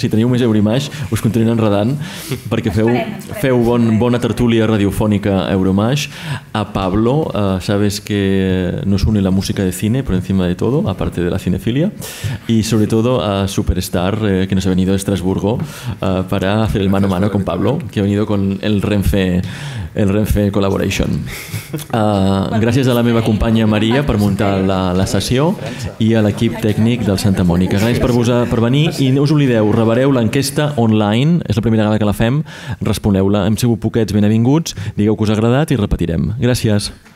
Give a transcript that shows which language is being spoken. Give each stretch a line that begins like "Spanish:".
Catalan: Si teniu més Euromash, us continuaré enredant perquè feu bona tertúlia radiofònica Euromash.
Spanish: A Pablo, sabes que nos une la música de cine por encima de todo, aparte de la cinefilia. Y sobre todo a Superstar, que nos ha venido de Estrasburgo para hacer el mano a mano con Pablo, que ha venido con el Renfe Collaboration.
Catalan: Gràcies a la meva companya Maria per muntar la sessió i a l'equip tècnic del Santa Mònica. Gràcies per venir i no us oblideu, rebereu l'enquesta online, és la primera vegada que la fem, responeu-la, hem sigut poquets, benvinguts, digueu que us ha agradat i repetirem. Gràcies.